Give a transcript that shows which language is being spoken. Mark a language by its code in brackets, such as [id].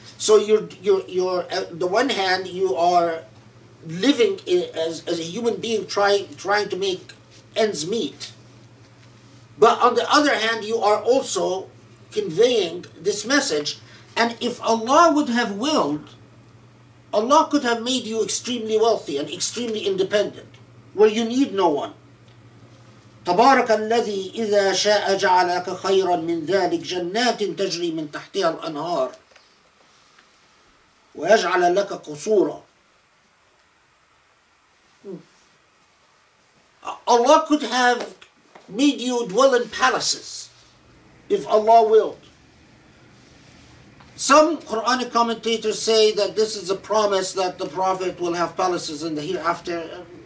[en] So you're on the one hand, you are living as a human being trying to make ends meet. But on the other hand, you are also conveying this message. And if Allah would have willed, Allah could have made you extremely wealthy and extremely independent, where you need no one. [ar] تبارك الذي إذا شاء جعلك خيرا من ذلك جنات تجري من تحتها الأنهار ويجعل لك قصورا. [en] Allah could have made you dwell in palaces if Allah willed. Some Quranic commentators say that this is a promise that the Prophet will have palaces in the hereafter.